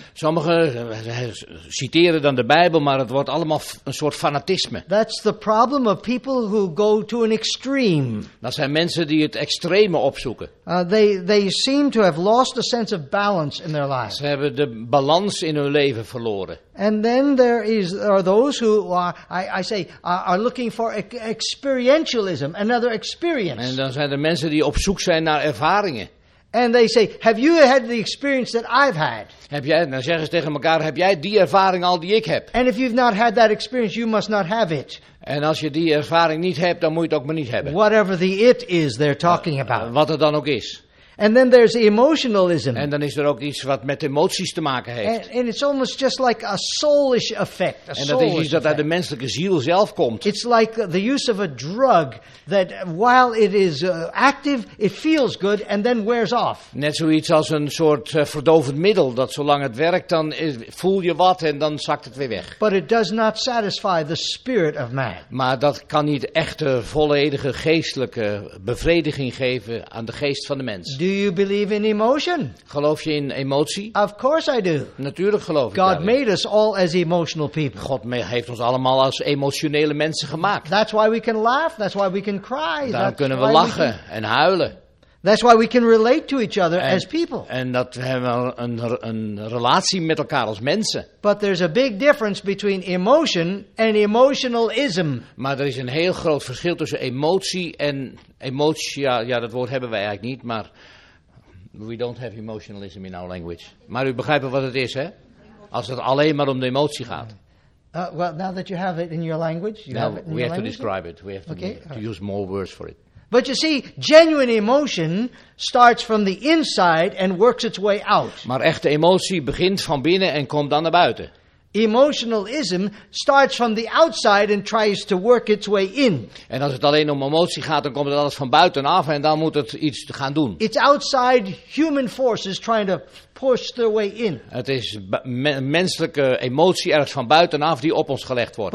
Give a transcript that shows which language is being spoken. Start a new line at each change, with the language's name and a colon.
Dutch: Sommigen citeren dan de Bijbel, maar het wordt allemaal een soort fanatisme.
English: That's the problem of people who go to an extreme.
Dutch: Dat zijn mensen die het extreme opzoeken.
English: They seem to have lost a sense of balance in their lives.
Dutch: Ze hebben de balans in hun leven verloren.
English: And then there are those who are looking for experientialism, another experience.
Dutch: En dan zijn er mensen die op zoek zijn naar ervaringen.
English: And they say, have you had the experience that I've had?
Dutch: Heb jij, dan zeggen ze tegen elkaar, heb jij die ervaring al die ik heb?
English: And if you've not had that experience, you must not have it.
Dutch: En als je die ervaring niet hebt, dan moet je het ook maar niet hebben.
English: Whatever the it is they're talking about.
Dutch: Wat het dan ook is.
English: And then there's emotionalism.
Dutch: En dan is er ook iets wat met emoties te maken heeft.
English: And it's almost just like a soulish effect.
Dutch: En dat is iets dat uit de menselijke ziel zelf komt.
English: It's like the use of a drug that while it is active, it feels good and then wears off.
Dutch: Net zoiets als een soort verdovend middel dat zolang het werkt dan voel je wat en dan zakt het weer weg.
English: But it does not satisfy the spirit of man.
Dutch: Maar dat kan niet echte volledige geestelijke bevrediging geven aan de geest van de mens.
English: Do you believe in emotion?
Dutch: Geloof je in emotie?
English: Of course I do.
Dutch: Natuurlijk geloof ik.
English: God made us all as emotional people.
Dutch: God heeft ons allemaal als emotionele mensen gemaakt.
English: That's why we can laugh, that's why we can cry.
Dutch: Daarom kunnen we lachen en huilen.
English: That's why we can relate to each other as people.
Dutch: En dat we hebben een relatie met elkaar als mensen.
English: But there's a big difference between emotion and emotionalism.
Dutch: Maar er is een heel groot verschil tussen emotie en emotia. Ja, dat woord hebben wij eigenlijk niet, maar
English: we don't have emotionalism in our language.
Dutch: Maar u begrijpt wat het is, hè? Als het alleen maar om de emotie gaat.
English: Well, now that you have it in your language, we have to describe it. We have to use more words for it. But you see, genuine emotion starts from the inside and works its way out.
Dutch: Maar echte emotie begint van binnen en komt dan naar buiten.
English: Emotionalism starts from the outside and tries to work its way in.
Dutch: En als het alleen om emotie gaat, dan komt het alles van buiten af en dan moet het iets gaan doen.
English: It's outside human forces trying to push their way in.
Dutch: Het is menselijke emotie ergens van buitenaf die op ons gelegd wordt.